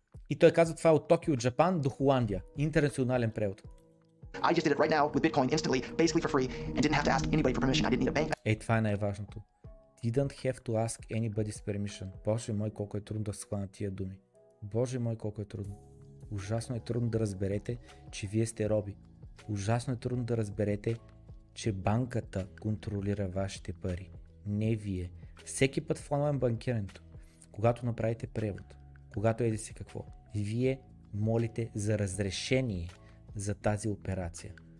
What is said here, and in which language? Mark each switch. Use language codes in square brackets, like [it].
[bg] И той казва това е от Токио, от Джапан до Холандия. Интернационален превод. [en] I just did it right now with Bitcoin instantly, basically for free, and didn't have to ask anybody for permission. I didn't need a bank. [bg] Ей, това е най-важното. [en] Didn't have to ask anybody's permission. [bg] Боже мой, колко е трудно да схвана тия думи. Боже мой, колко е трудно. Ужасно е трудно да разберете, че вие сте роби. Ужасно е трудно да разберете, че банката контролира вашите пари. Не вие. Всеки път в онлайн банкирането, когато направите превод, когато еди си какво, вие молите за разрешение за тази операция.